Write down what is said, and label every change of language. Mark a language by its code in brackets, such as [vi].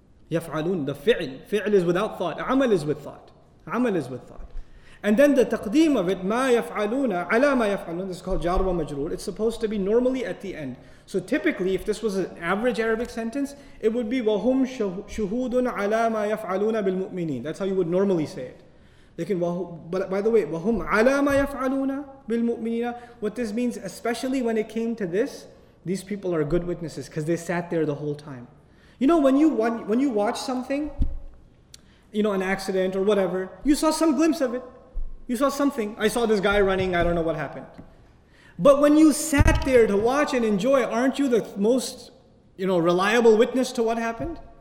[en] يفعلون, the fi'l. Fi'l is without thought. عمل is with thought. عمل is with thought. And then the taqdeem of it, [ar] ما يفعلون, على ما يفعلون, [en] this is called جار ومجرور. It's supposed to be normally at the end. So typically, if this was an average Arabic sentence, it would be [ar] وَهُمْ شُهُودٌ عَلَى مَا يَفْعَلُونَ بِالْمُؤْمِنِينَ. [en] That's how you would normally say it. [ar] لكن, [en] but by the way, [ar] وَهُمْ عَلَى مَا يَفْعَلُونَ بِالْمُؤْمِنِينَ. [en] What this means, especially when it came to this, these people are good witnesses because they sat there the whole time. You know, when you watch something, you know, an accident or whatever, you saw some glimpse of it. You saw something. I saw this guy running, I don't know what happened. But when you sat there to watch and enjoy, aren't you the most, you know, reliable witness to what happened?